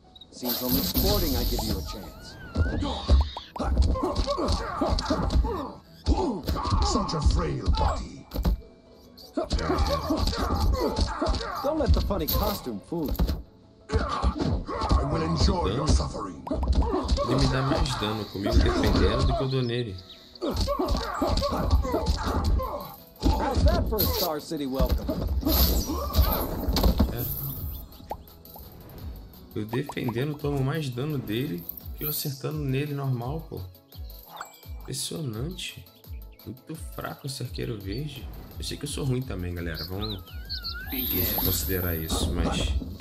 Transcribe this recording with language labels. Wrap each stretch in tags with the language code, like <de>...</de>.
<en>Seems only sporting I give you a chance. Such a frail body. Don't let the funny costume fool you. I will enjoy your suffering.</en> <pt>Ele me dá mais dano comigo dependendo do que eu dou nele.</pt> <en>How's that for a Star City welcome?</en> <pt>Eu defendendo, tomo mais dano dele que eu acertando nele normal, pô. Impressionante. Muito fraco esse arqueiro verde. Eu sei que eu sou ruim também, galera. Vamos considerar isso, mas...</pt>